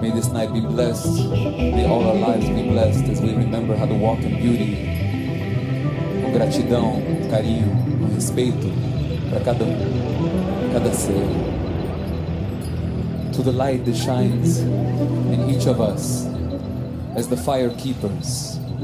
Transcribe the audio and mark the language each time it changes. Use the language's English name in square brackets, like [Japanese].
[English] May this night be blessed, may all our lives be blessed as we remember how to walk in beauty. [Portuguese] Com gratidão, carinho, respeito para cada cada ser. [English] To the light that shines in each of us as the fire keepers.